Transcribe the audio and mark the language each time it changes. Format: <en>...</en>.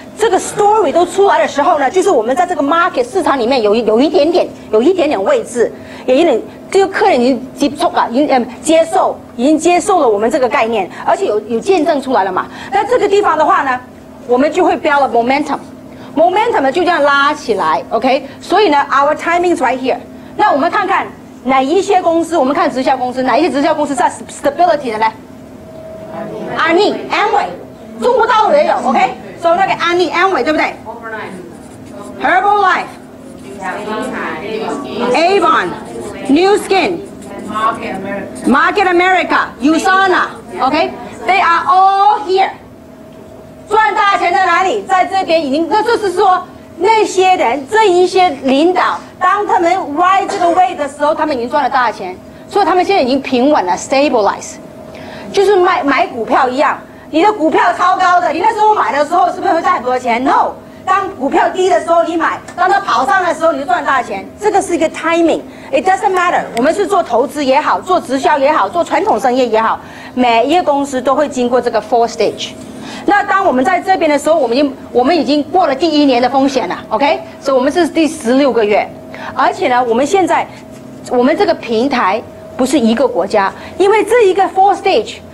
<zh>这个 story 都出来的时候呢，就是我们在这个 market 市场里面有一点点位置，也有点这个客人已经接受了我们这个概念，而且有见证出来了嘛。那这个地方的话呢，我们就会标了 momentum 就这样拉起来。 OK， 所以呢</zh> <en>our timing is right here。</en> <zh>那我们看看哪一些公司，我们看直销公司，哪一些直销公司在 stability 的呢？ Amway 中国大陆也有 ，OK。所以那个安利 Amway 对不对 ？Herbalife、Avon、New Skin、Market America、USANA， OK，</zh> <en>they are all here。</en> <zh>赚大钱在哪里？在这边已经，那就是说那些人这一些领导，当他们歪这个位的时候，他们已经赚了大钱，所以他们现在已经平稳了 ，stabilize， 就是买股票一样。你的股票超高的，你那时候买的时候是不是会赚很多钱 ？</zh> <en>No，</en> <zh>当股票低的时候你买，当它跑上来的时候你就赚大钱。这个是一个 timing，</zh> <en>it doesn't matter。</en> <zh>我们是做投资也好，做直销也好，做传统生意也好，每一个公司都会经过这个</zh> <en>four stage。</en> <zh>那当我们在这边的时候，我们已经过了第一年的风险了 ，OK？所以我们是第16个月，而且呢，我们现在我们这个平台不是一个国家，因为这一个 four stage。</zh>